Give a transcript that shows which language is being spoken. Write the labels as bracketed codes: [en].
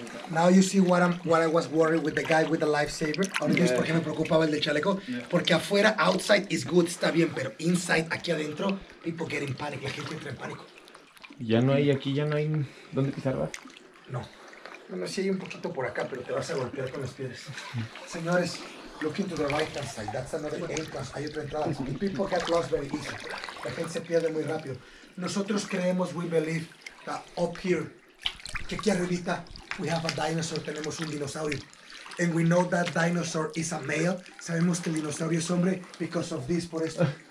[en] Now you see what I was worried with the guy with the lifesaver. [es] Ahora yeah. Es porque me preocupaba el de chaleco. Yeah. Porque afuera, [en] outside is good, [es] está bien, pero inside, aquí adentro, [en] people get in panic, [es] la gente entra en pánico. Ya no hay aquí, ya no hay dónde pisar. No. Bueno, sí hay un poquito por acá, pero te vas a golpear con las piedras. [en] Señores, look into the right hand side. That's another entrance. [es] Hay otra entrada. Y [en] people get lost very easy. [es] La gente se pierde muy rápido. Nosotros creemos, [en] we believe, that up here, [es] que aquí arribita, [en] we have a dinosaur, [es] tenemos un dinosaurio. [en] And we know that dinosaur is a male. [es] Sabemos que el dinosaurio es hombre [en] because of this, [es] por esto.